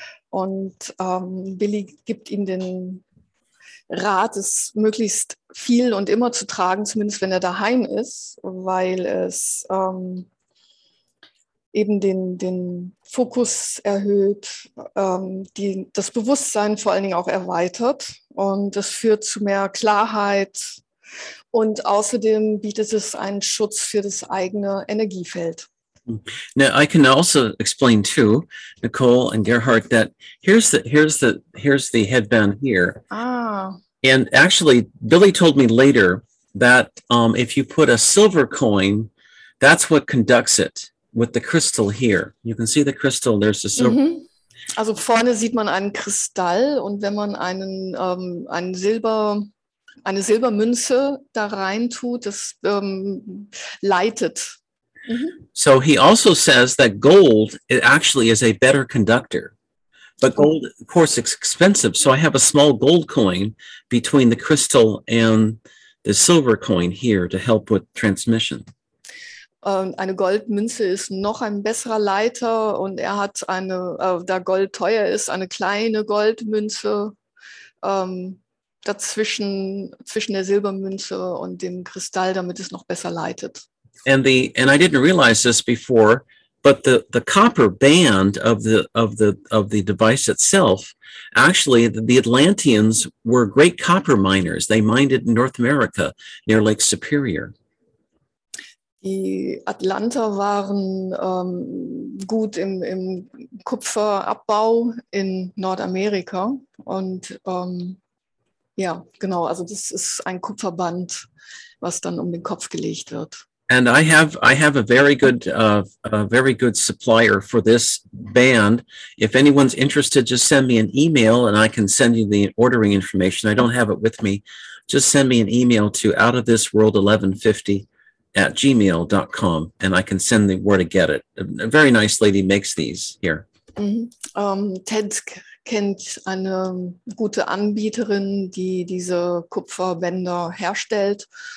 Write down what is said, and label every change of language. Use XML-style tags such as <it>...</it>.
<de>Und Billie gibt ihm den Rat, es möglichst viel und immer zu tragen, zumindest wenn er daheim ist, weil es eben den Fokus erhöht, das Bewusstsein vor allen Dingen auch erweitert und das führt zu mehr Klarheit und außerdem bietet es einen Schutz für das eigene Energiefeld.</de> <en>Now I can also explain too, Nicole and Gerhard, that here's the headband here. Ah. And actually, Billie told me later that if you put a silver coin, that's what conducts it. With the crystal here. You can see the crystal, there's the silver. Mm-hmm.</en> <de>Also vorne sieht man einen Kristall und wenn man eine Silbermünze da rein tut, das leitet. Mm-hmm.</de> <en>So he also says that gold it actually is a better conductor. But gold, of course, is expensive. So I have a small gold coin between the crystal and the silver coin here to help with transmission.</en> <de>Eine Goldmünze ist noch ein besserer Leiter und er hat eine, da Gold teuer ist, eine kleine Goldmünze dazwischen, zwischen der Silbermünze und dem Kristall, damit es noch besser leitet.</de> <en>And I didn't realize this before, but the copper band of the device itself, actually the Atlanteans were great copper miners. They mined in North America near Lake Superior.</en> <de>Die Atlanter waren gut im Kupferabbau in Nordamerika und ja, genau, also das ist ein Kupferband, was dann um den Kopf gelegt wird.</de> <en>And I have a very good supplier for this band. If anyone's interested, just send me an email and I can send you the ordering information. I don't have it with me. Just send me an email to outofthisworld1150@gmail.com and I can send the where to get it. A very nice lady makes these here.</en> <de>Ted kennt eine gute Anbieterin, die diese Kupferbänder herstellt.</de>